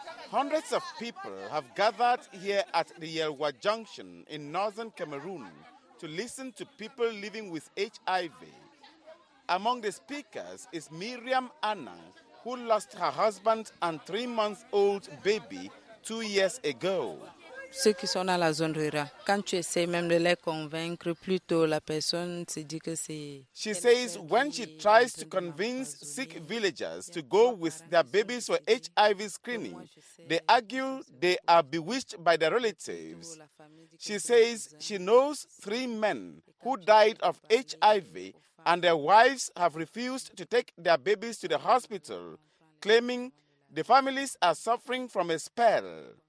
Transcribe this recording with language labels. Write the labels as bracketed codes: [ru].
[en] Hundreds of people have gathered here at the Yelwa Junction in northern Cameroon to listen to people living with HIV. Among the speakers is Miriam Anna, who lost her husband and three-month-old baby 2 years ago. [fr] Ceux qui sont dans la zone rurale, quand tu essaies même de les convaincre, plutôt la personne se dit que c'est. [en] She says when she tries to convince sick villagers to go with their babies for HIV screening, they argue they are bewitched by their relatives. She says she knows three men who died of HIV and their wives have refused to take their babies to the hospital, claiming the families are suffering from a spell.